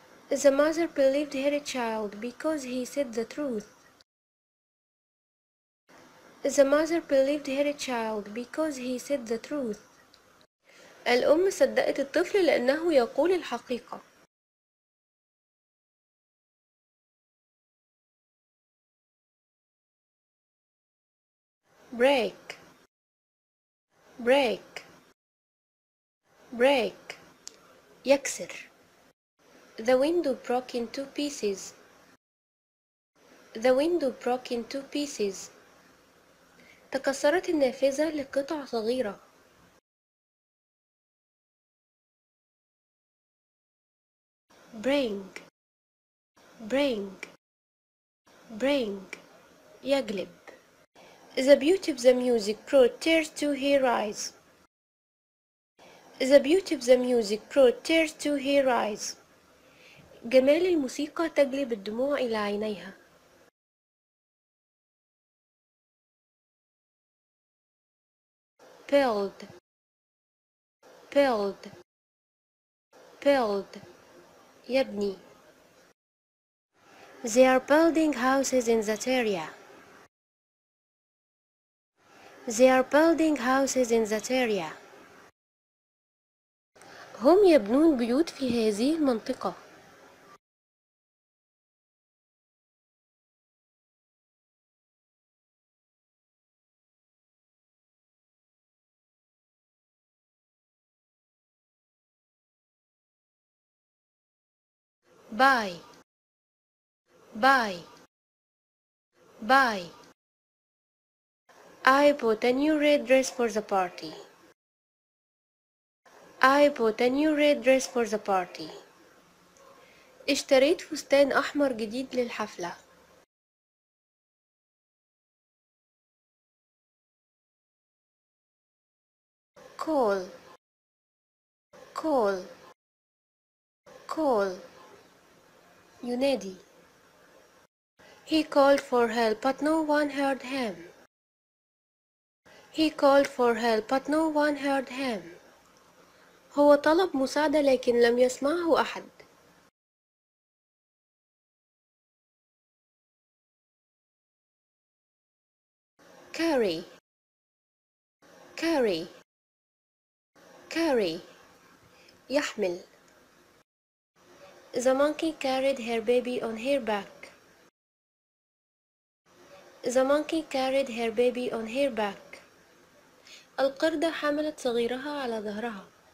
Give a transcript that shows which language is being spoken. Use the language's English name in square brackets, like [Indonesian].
[English] The mother believed her child because he said the truth. The mother believed her child because he said the truth. [Arabic] الأم صدقت الطفل لأنه يقول الحقيقة. [English] Break. Break. Break. [Arabic] يكسر. [English] The window broke in two pieces. The window broke in two pieces. [Arabic] تكسرت النافذة لقطع صغيرة. [English] Bring. Bring. Bring. [Arabic] يجلب. [English] The beauty of the music brought tears to her eyes. The beauty of the music brought tears to her eyes. [Arabic] جمال الموسيقى تجلب الدموع إلى عينيها. [English] Filled. Filled. Filled. [Arabic] يبني. [English] They are building houses in that area. They are building houses in that area. [Arabic] هم يبنون بيوت في هذه المنطقة. [English] Bye bye bye. I bought a new red dress for the party. I bought a new red dress for the party. [Arabic] اشتريت فستان أحمر جديد للحفلة. [English] Call. Call. Call. [Arabic] ينادي. [English] He called for help, but no one heard him. He called for help, but no one heard him. [Arabic] هو طلب مساعدة لكن لم يسمعه أحد. [English] Carry. Carry. Carry. [Arabic] يحمل. [English] The monkey carried her baby on her back. The monkey carried her baby on her back. [Arabic] القردة حملت صغيرها على ظهرها.